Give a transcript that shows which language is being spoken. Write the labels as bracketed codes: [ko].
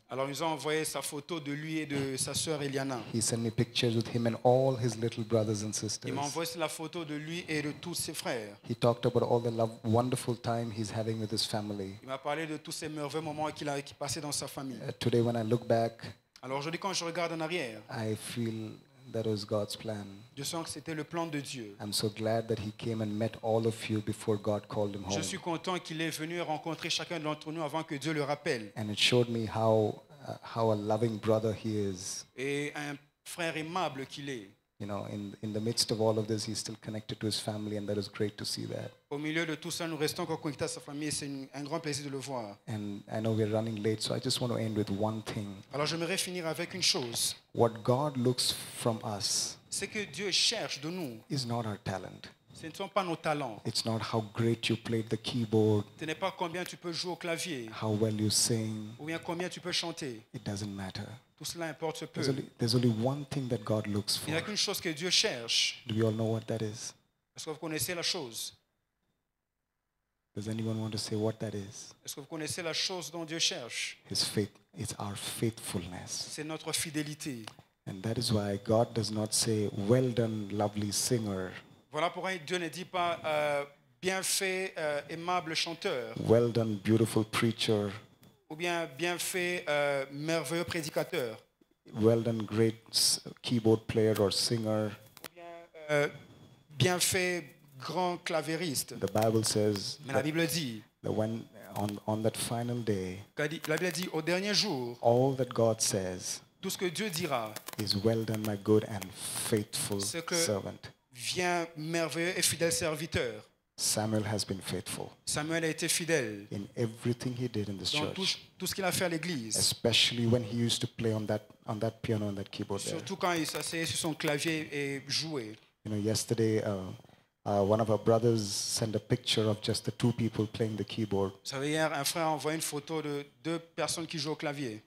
[fr] Alors ils ont envoyé sa photo de lui et de sa sœur Eliana. [en] He sent me pictures with him and all his little brothers and sisters. [fr] Il m'a envoyé la photo de lui et de tous ses frères. [en] He talked about all the wonderful time he's having with his family. [fr] Il m'a parlé de tous ces merveilleux moments qu'il a passé dans sa famille. [en] Today when I look back, [fr] alors aujourd'hui quand je regarde en arrière, [en] I feel that was God's plan. [fr] Je sens que c'était le plan de Dieu. [en] I'm so glad that he came and met all of you before God called him home. [fr] Je suis content qu'il est venu rencontrer chacun d'entre nous avant que Dieu le rappelle. [en] And it showed me how a loving brother he is. [fr] Et un frère aimable qu'il est. [en] You know, in the midst of all of this, he's still connected to his family, and that is great to see that. [fr] Au milieu de tout ça, nous restons encore connectés à sa famille. C'est un grand plaisir de le voir. [en] And I know we're running late, so I just want to end with one thing. [fr] Alors, j'aimerais finir avec une chose. [en] What God looks from us. [fr] Ce que Dieu cherche de nous. [en] Is not our talent. [fr] Ce ne sont pas nos talents. [en] It's not how great you played the keyboard. [fr] Ce n'est pas combien tu peux jouer au clavier. [en] How well you sing. [fr] Ou bien combien tu peux chanter. [en] It doesn't matter. [fr] Tout cela importe peu. [en] There's only one thing that God looks for. [fr] Il n'y a qu'une chose que Dieu cherche. [en] Do you all know what that is? [fr] Est-ce que vous connaissez la chose? [en] Does anyone want to say what that is? [fr] Est-ce que vous connaissez la chose dont Dieu cherche? [en] His faith. It's our faithfulness. [fr] C'est notre fidélité. [en] And that is why God does not say, "Well done, lovely singer." [fr] Voilà pourquoi Dieu ne dit pas bien fait, aimable chanteur. [en] Well done, beautiful preacher. [fr] Ou bien fait, merveilleux prédicateur. [en] Well done, great keyboard player or singer. [fr] Ou bien fait, grand clavieriste. [en] The Bible says. [fr] Mais la Bible dit. [en] That when on that final day. [fr] La Bible dit au dernier jour. [en] All that God says. [fr] Tout ce que Dieu dira. [en] Is well done, my good and faithful servant. [fr] Viens merveilleux et fidèle serviteur. [en] Samuel has been faithful. [fr] Samuel a été fidèle. [en] In everything he did in this church. [fr] Dans tout ce qu'il a fait à l'église. [en] Especially when he used to play on that piano and that keyboard. [fr] Surtout [en] there. [fr] Quand il s'asseyait sur son clavier et jouait. [en] You know, yesterday one of our brothers sent a picture of just the two people playing the keyboard. [fr] Vous savez, hier, un frère a envoyé une photo de deux personnes qui jouent au clavier.